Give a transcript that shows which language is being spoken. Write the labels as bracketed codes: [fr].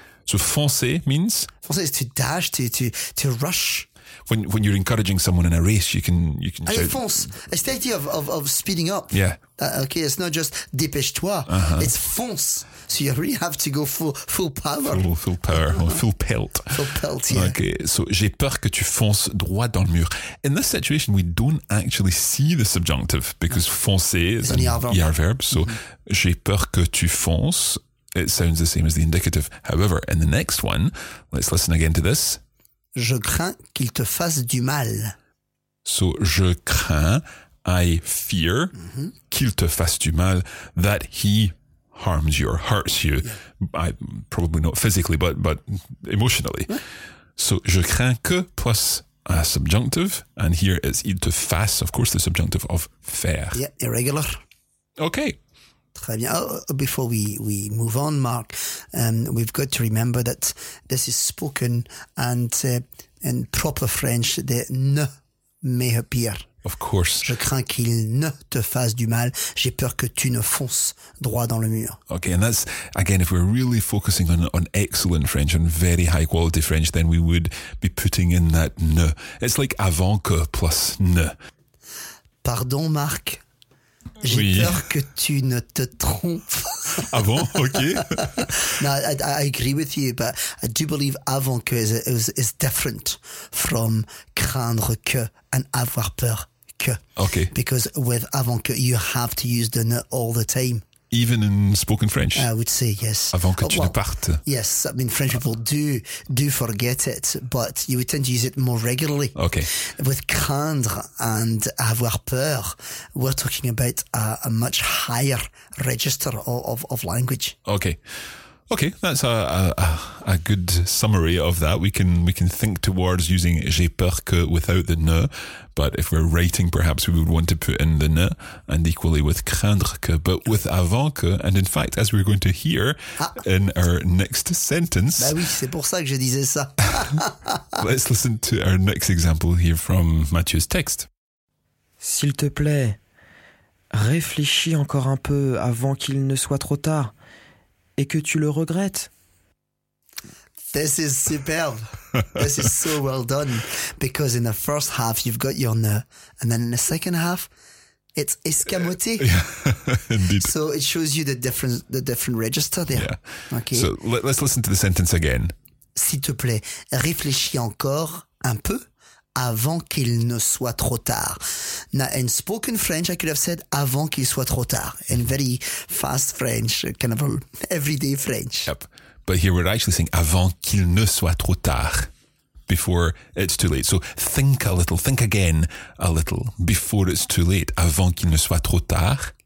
[en] So foncer means? Foncer is to dash, to rush. When you're encouraging someone in a race, you can [fr] allez, fonce. [en] It's the idea of speeding up. Yeah. Okay, it's not just dépêche-toi, it's fonce. So you really have to go full power. Full power, full pelt. Full pelt, yeah. Okay, so [fr] j'ai peur que tu fonces droit dans le mur. [en] In this situation, we don't actually see the subjunctive because foncer is an ER verb. So [fr] j'ai peur que tu fonces, [en] it sounds the same as the indicative. However, in the next one, let's listen again to this. [fr] Je crains qu'il te fasse du mal. [en] So, je crains, I fear, [fr] qu'il te fasse du mal, [en] that he harms you or hurts you. Yeah. Probably not physically, but emotionally. So, je crains que plus a subjunctive, and here it's [fr] il te fasse, [en] of course, the subjunctive of faire. Yeah, irregular. Okay. [fr] Très bien. [en] Before we move on, Marc, we've got to remember that this is spoken and in proper French, the ne may appear. Of course. [fr] Je crains qu'il ne te fasse du mal. J'ai peur que tu ne fonces droit dans le mur. [en] Okay, and that's, again, if we're really focusing on excellent French, on very high quality French, then we would be putting in that ne. It's like avant que plus ne. [fr] Pardon, Marc. J'ai peur que tu ne te trompes. Ah bon? Ok. [en] No, I agree with you, but I do believe avant que is different from craindre que and avoir peur que. Ok. Because with avant que, you have to use the ne all the time. Even in spoken French? I would say yes. [fr] Avant que tu ne partes. [en] Yes, I mean French people do forget it, but you would tend to use it more regularly. Okay. With craindre and avoir peur, we're talking about a much higher register of language. Okay. Okay, that's a good summary of that. We can think towards using [fr] j'ai peur que [en] without the ne, but if we're writing, perhaps we would want to put in the ne, and equally with craindre que, but with avant que, and in fact, as we're going to hear in our next sentence. [fr] Bah oui, c'est pour ça que je disais ça. [en] Let's listen to our next example here from Mathieu's text. [fr] S'il te plaît, réfléchis encore un peu avant qu'il ne soit trop tard. Et que tu le regrettes. [en] This is superb. This is so well done. Because in the first half, you've got your ne. And then in the second half, it's escamoté. Indeed. So it shows you the different register there. Yeah. Okay. So let's listen to the sentence again. [fr] S'il te plaît, réfléchis encore un peu avant qu'il ne soit trop tard. [en] Now, in spoken French, I could have said [fr] avant qu'il soit trop tard. [en] In very fast French, kind of everyday French. Yep. But here we're actually saying [fr] avant qu'il ne soit trop tard, [en] before it's too late. So think a little, think again a little, before it's too late, avant qu'il ne soit trop tard.